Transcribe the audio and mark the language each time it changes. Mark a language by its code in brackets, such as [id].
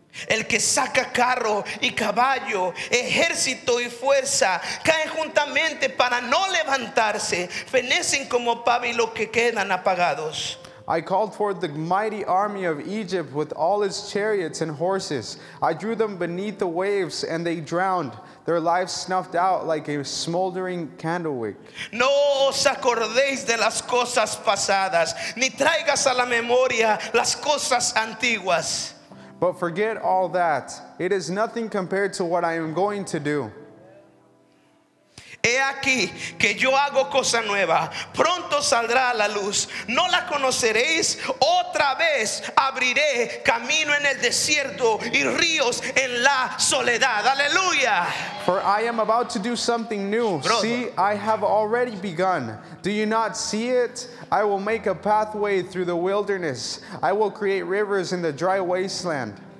[es] El que saca carro y caballo, ejército y fuerza, caen juntamente para no levantarse, fenecen como pábilo que quedan apagados. [en] I called forth the mighty army of Egypt with all its chariots and horses. I drew them beneath the waves and they drowned, their lives snuffed out like a smoldering candle wick. [es] No os acordéis de las cosas pasadas, ni traigas a la memoria las cosas antiguas. [en] But forget all that. It is nothing compared to what I am going to do. [es] He aquí que yo hago cosa nueva. Pronto saldrá a la luz. No la conoceréis. Otra vez abriré camino en el desierto y ríos en la soledad. Aleluya. [en] For I am about to do something new. Brother. See, I have already begun. Do you not see it? I will make a pathway through the wilderness. I will create rivers in the dry wasteland.